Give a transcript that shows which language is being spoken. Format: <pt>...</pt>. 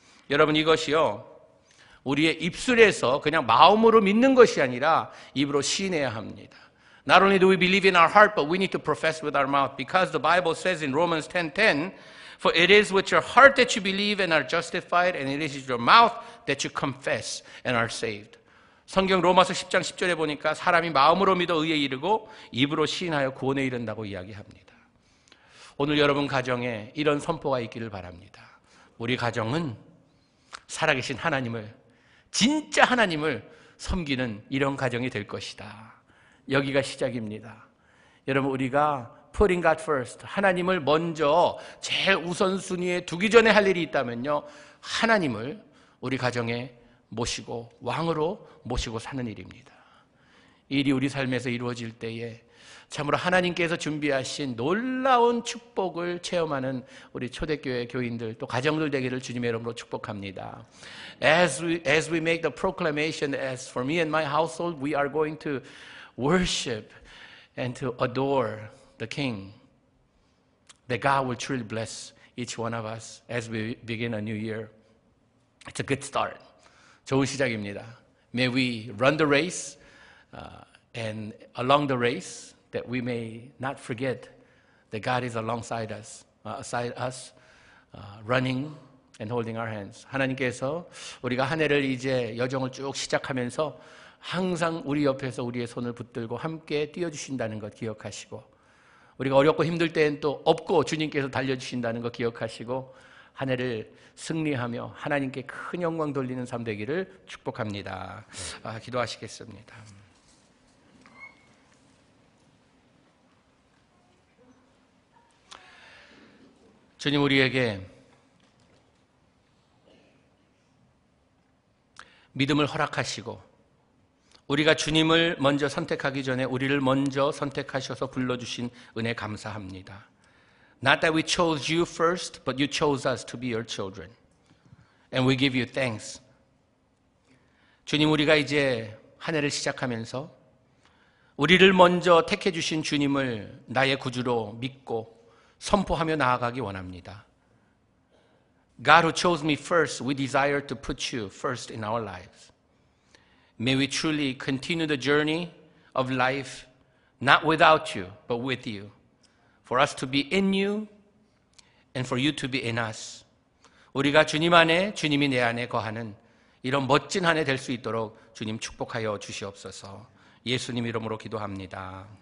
<ko>여러분 이것이요, 우리의 입술에서 그냥 마음으로 믿는 것이 아니라 입으로 시인해야 합니다.</ko> <en>Not only do we believe in our heart, but we need to profess with our mouth. Because the Bible says in Romans 10:10, For it is with your heart that you believe and are justified, and it is with your mouth that you confess and are saved.</en> <ko>성경 로마서 10장 10절에 보니까 사람이 마음으로 믿어 의에 이르고 입으로 시인하여 구원에 이른다고 이야기합니다. 오늘 여러분 가정에 이런 선포가 있기를 바랍니다. 우리 가정은 살아계신 하나님을, 진짜 하나님을 섬기는 이런 가정이 될 것이다. 여기가 시작입니다. 여러분 우리가</ko> <en>putting God first,</en> <ko>하나님을 먼저 제일 우선순위에 두기 전에 할 일이 있다면요, 하나님을 우리 가정에 모시고 왕으로 모시고 사는 일입니다. 일이 우리 삶에서 이루어질 때에 참으로 하나님께서 준비하신 놀라운 축복을 체험하는 우리 초대교회 교인들 또 가정들 되기를 주님의 이름으로 축복합니다.</ko> <en>As we make the proclamation, as for me and my household, we are going to worship and to adore the King, that God will truly bless each one of us as we begin a new year. It's a good start.</en> <ko>좋은 시작입니다.</ko> <en>May we run the race and along the race that we may not forget that God is alongside us, running and holding our hands.</en> <ko>하나님께서 우리가 한 해를 이제 여정을 쭉 시작하면서 항상 우리 옆에서 우리의 손을 붙들고 함께 뛰어주신다는 것 기억하시고, 우리가 어렵고 힘들 때엔 또 없고 주님께서 달려주신다는 것 기억하시고, 한 해를 승리하며 하나님께 큰 영광 돌리는 삶 되기를 축복합니다. 아, 기도하시겠습니다. 주님, 우리에게 믿음을 허락하시고 우리가 주님을 먼저 선택하기 전에 우리를 먼저 선택하셔서 불러주신 은혜 감사합니다.</ko> <en>Not that we chose you first, but you chose us to be your children. And we give you thanks.</en> <ko>주님, 우리가 이제 한 해를 시작하면서 우리를 먼저 택해주신 주님을 나의 구주로 믿고 선포하며 나아가기 원합니다.</ko> <en>God who chose me first, we desire to put you first in our lives. May we truly continue the journey of life, not without you, but with you. For us to be in you, and for you to be in us.</en> <ko>우리가 주님 안에, 주님이 내 안에 거하는 이런 멋진 한 해 될 수 있도록 주님 축복하여 주시옵소서. 예수님 이름으로 기도합니다.</ko>